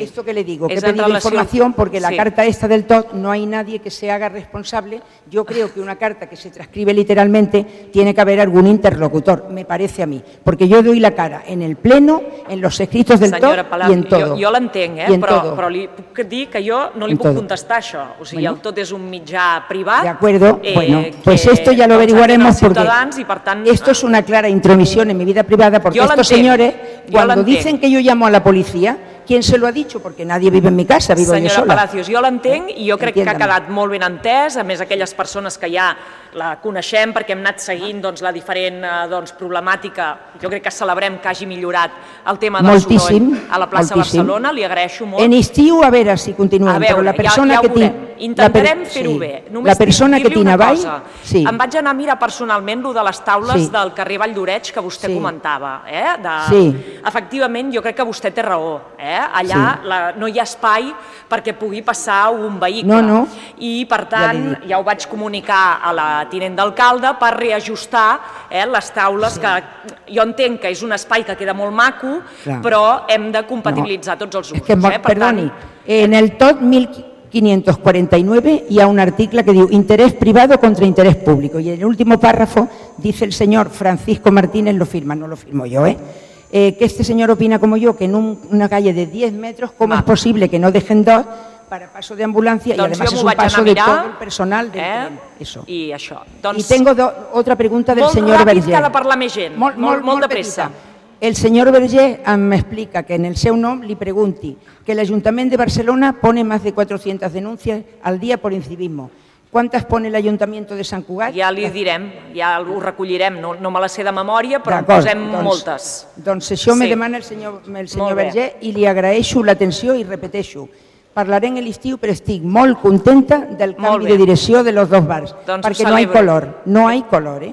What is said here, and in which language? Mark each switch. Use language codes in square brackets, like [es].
[es] Esto que le digo, que he pedido información porque la carta esta del TOD no hay nadie que se haga responsable. Yo creo que una carta que se transcribe literalmente tiene que haber algún interlocutor, me parece a mí, porque yo doy la cara en el pleno, en los escritos del TOD y en todo. [ca] Jo l'entenc, però li puc dir que jo no li puc contestar això. O sigui, el TOD és un mitjà privat. [es] De acuerdo, bueno, pues esto ya lo averiguaremos porque esto es una clara intromisión en mi vida privada, porque estos señores, cuando dicen que yo llamo a la policía, ¿quién se lo ha dicho? Porque nadie vive en mi casa, vivo yo [ca] Senyora Palacios, jo l'entenc i jo crec que ha quedat molt ben entès, a més aquelles persones que ja la coneixem perquè hem anat seguint la diferent problemàtica, jo crec que celebrem que hagi millorat el tema del soroll a la plaça Barcelona, li agraeixo molt. En estiu, a veure si continuem, però la persona que tinc... Intentarem fer-ho bé. La persona que tinc avall... Em vaig anar a mirar personalment allò de les taules del carrer Valldoreix que vostè comentava. Efectivament, jo crec que vostè té raó. Allà no hi ha espai perquè pugui passar un vehicle. No, no. I, per tant, ja ho vaig comunicar a la tinent d'alcalde per reajustar les taules, que jo entenc que és un espai que queda molt maco, però hem de compatibilitzar tots els usos. Perdoni, en el TOD 1549 hi ha un article que diu [es] interés privado contra interés público, [ca] i en l'últim pàrrafo [es] dice el senyor Francisco Martínez, lo firma, no lo firmo yo, que este señor opina como yo, que en una calle de 10 metros, ¿cómo es posible que no dejen dos para paso de ambulancia? [ca] Doncs [es] i además és un paso de todo el personal del [ca] eso. I això. Doncs, i [es] tengo otra pregunta del senyor Berger. [ca] Molt ràpid, que ha de parlar més gent. Molt de pressa. El senyor Berger m'explica que en el seu nom li pregunti que l'Ajuntament de Barcelona [es] pone más de 400 denuncias al día por incivismo. ¿Cuántas pone el Ayuntamiento de San Cugat? [ca] Ja li direm, ja ho recollirem. No me la sé de memòria, però en posem moltes. Doncs això me demana el senyor Berger i li agraeixo l'atenció i repeteixo. Parlaré en l'estiu, però estic molt contenta del canvi de direcció de [es] los dos bars. [ca] Perquè no hi ha color, no hi ha color.